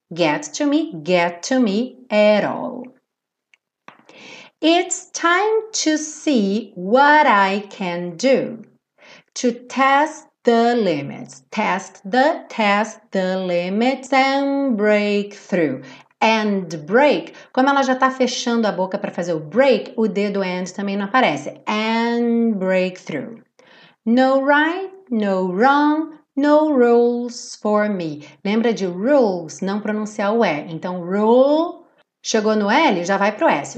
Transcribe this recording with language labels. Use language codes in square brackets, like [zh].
[en] Get to me at all. It's time to see what I can do to test the limits. Test the limits and break through. And break, [pt] como ela já está fechando a boca para fazer o break, o dedo end também não aparece. [en] And breakthrough. No right, no wrong, no rules for me. [pt] Lembra de rules, não pronunciar o E. Então, rule, chegou no L, já vai para o S.